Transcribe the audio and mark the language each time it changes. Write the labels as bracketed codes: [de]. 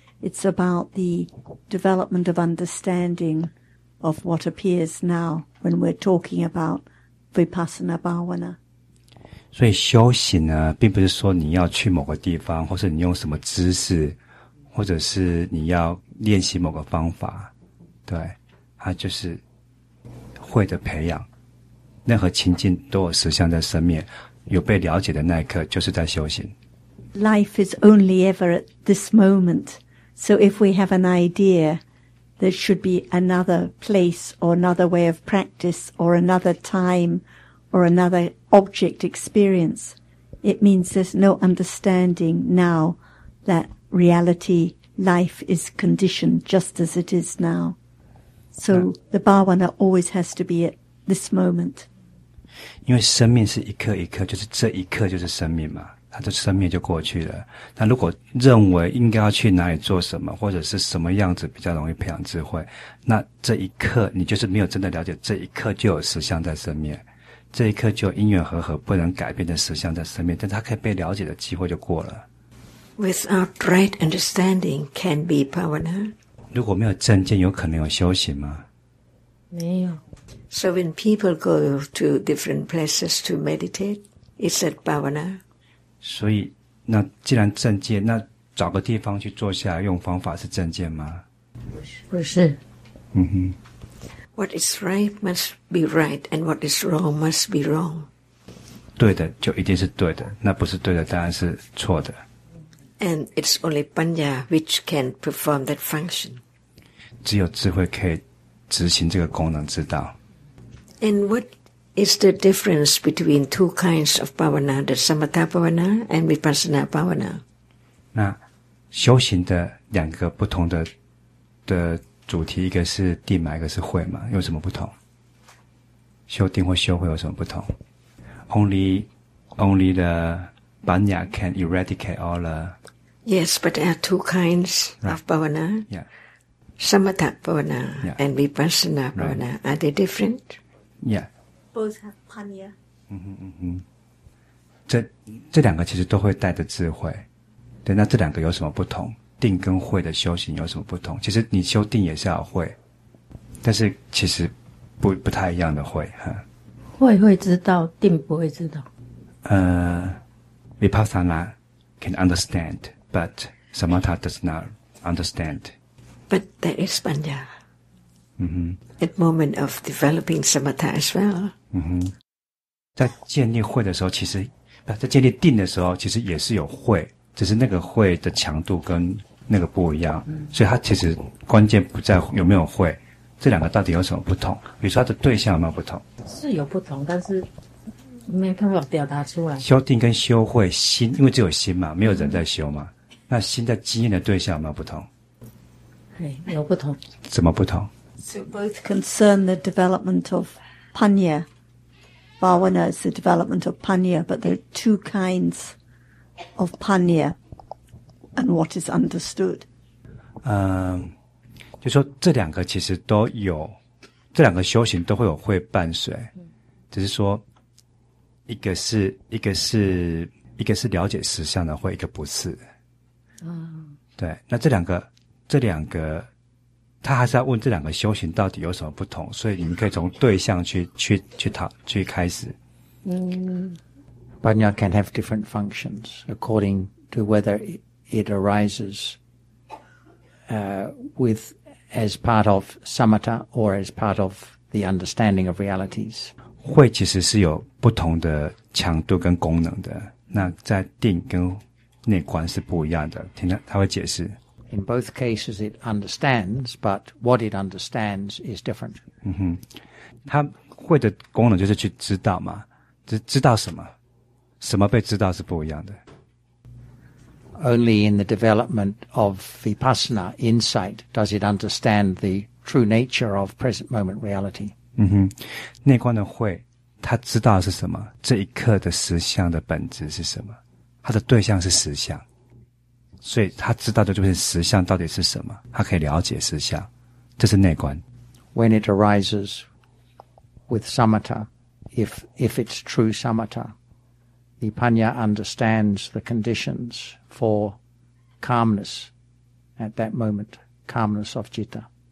[en] It's about the development of understanding of what appears now when we're talking about vipassana bhavana. [zh] 所以修行呢，并不是说你要去某个地方，或是你用什么姿势，或者是你要练习某个方法，对，它就是慧的培养，任何情境都有实相在生灭，有被了解的那一刻就是在修行。 [en] Life is only ever at this moment, so if we have an idea there should be another place or another way of practice or another time or another object experience, it means there's no understanding now that reality life is conditioned just as it is nowSo the bhavana always has to be at this moment. [zh] 因为生命是一刻一刻，就是这一刻就是生命嘛，它的生命就过去了。那如果认为应该要去哪里做什么，或者是什么样子比较容易培养智慧，那这一刻你就是没有真的了解，这一刻就有实相在生命，这一刻就有因缘和合不能改变的实相在生命，但它可以被了解的机会就过了。 [en] Without right understanding can be bhavana. [zh] 如果没有正见，有可能有修行吗？没有。 [en] So when people go to different places to meditate, is that bhavana? [zh] 所以，那既然正见，那找个地方去坐下来用方法是正见吗？不是。嗯哼。 [en] What is right must be right, and what is wrong must be wrong. [zh] 对的就一定是对的，那不是对的当然是错的。 [en] And it's only panya which can perform that function. [zh] 只有智慧可以执行这个功能之道。 [en] And what is the difference between two kinds of bhavana, the samatha bhavana and vipassana bhavana? [zh] 那修行的两个不同 的主题，一个是定嘛，一个是慧嘛，有什么不同？修定或修慧有什么不同？ [en] Only the banya can eradicate all the... Yes, but there are two kinds of bhavana. Yeah. Samatha bhavana and vipassana bhavana. Right. Are they different? Yeah. Both have panya. Mm-hmm. [zh] 这两个其实都会带着智慧。对，那这两个有什么不同？定跟慧的修行有什么不同？其实你修定也是要慧，但是其实不太一样的慧。慧会知道，定不会知道。 [en] Vipassana can understand, but Samatha does not understand. But there is Panya. Mm-hmm. At moment of developing Samatha as well. Mm-hmm. [zh] 在建立慧的时候，其实不在建立定的时候，其实也是有慧，只是那个慧的强度跟那个不一样。所以它其实关键不在有没有慧，这两个到底有什么不同？比如说它的对象有没有不同？是有不同，但是。没办法表达出来。修定跟修慧心，因为只有心嘛，没有人在修嘛。那心在经验的对象有没有不同？对，有不同。怎么不同 [en] ？So both concern the development of panya. Bhavana is the development of panya, but there are two kinds of panya, and what is understood? [zh] 就说这两个其实都有，这两个修行都会有会伴随，只是说。一个是了解实相的慧，一个不是。对，那这两个他还是要问这两个修行到底有什么不同，所以你们可以从对象去开始。 [en] 嗯。Banya can have different functions according to whether it arises, with as part of samatha or as part of the understanding of realities. [zh] 慧其实是有不同的强度跟功能的，那在定跟内观是不一样的。听他会解释。 [en] In both cases, it understands, but what it understands is different. [zh] 嗯哼，它慧的功能就是去知道嘛，知道什么，什么被知道是不一样的。 [en] Only in the development of vipassana insight does it understand the true nature of present moment reality. [zh] 嗯哼，内观的慧，他知道是什么？这一刻的实相的本质是什么？他的对象是实相，所以他知道的就是实相到底是什么？他可以了解实相，这是内观。 [en] When it arises with samatha, if it's true samatha, the panya understands the conditions for calmness at that moment, calmness of citta.